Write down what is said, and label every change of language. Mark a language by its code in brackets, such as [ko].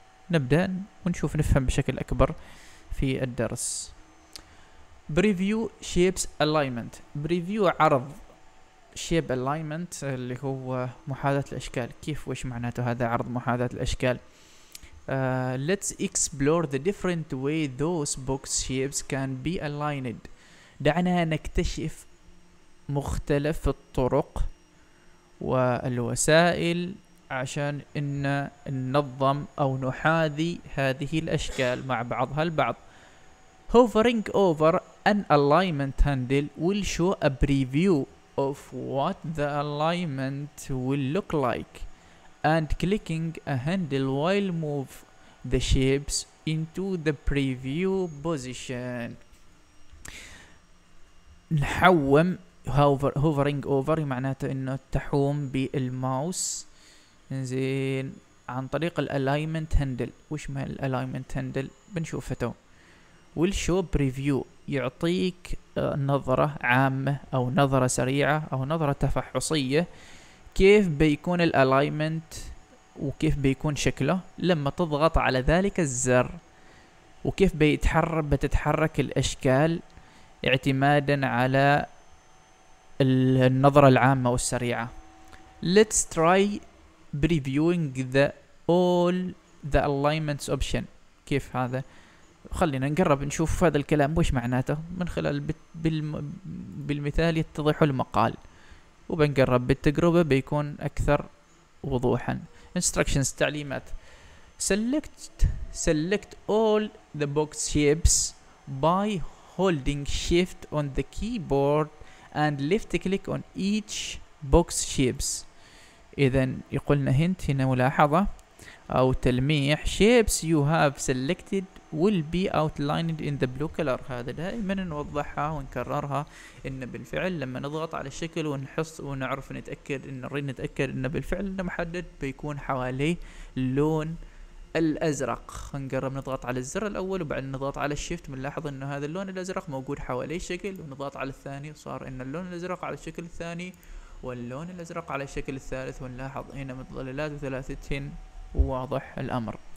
[ar] نبدأ ونشوف نفهم بشكل أكبر في الدرس. [en] Preview Shapes Alignment. [ar] Preview عرض Shape Alignment اللي هو محاذاة الأشكال. كيف وش معناته هذا عرض محاذاة الأشكال؟ [en] Let's explore the different way those box shapes can be aligned. [ar] دعنا نكتشف مختلف الطرق والوسائل عشان إن ننظم أو نحاذي هذه الأشكال مع بعضها البعض. [en] Hovering over an alignment handle will show a preview of what the alignment will look like. And clicking a handle while move the shapes into the preview position. [ar] نحوم [en] hovering over [ar] معناته إنه تحوم بالماوس. انزين عن طريق الالايمنت هندل. وش مال الالايمنت هندل؟ بنشوف فتو. والشو بريفيو يعطيك نظرة عامة او نظرة سريعة او نظرة تفحصية كيف بيكون الالايمنت وكيف بيكون شكله لما تضغط على ذلك الزر، وكيف بتتحرك الاشكال اعتمادا على النظرة العامة والسريعة. [en] Let's try previewing all the alignments option. [ar] كيف هذا؟ خلينا نقرب نشوف هذا الكلام وش معناته من خلال بالمثال يتضح المقال، وبنقرب بالتجربة بيكون أكثر وضوحا. instructions تعليمات. [en] select all the box shapes by holding shift on the keyboard and left click on each box shapes. [ar] إذن يقولنا هنت هنا ملاحظة أو تلميح. [en] shapes you have selected will be outlined in the blue color. [ar] هذا دائما نوضحها ونكررها إن بالفعل لما نضغط على الشكل ونحس ونعرف نتأكد إن نريد نتأكد إن بالفعل إنه محدد بيكون حواليه اللون الأزرق. نقرب نضغط على الزر الأول وبعد نضغط على shift بنلاحظ إنه هذا اللون الأزرق موجود حواليه شكل، ونضغط على الثاني صار إن اللون الأزرق على الشكل الثاني، واللون الأزرق على الشكل الثالث، ونلاحظ هنا متظللات وثلاثتين واضح الأمر.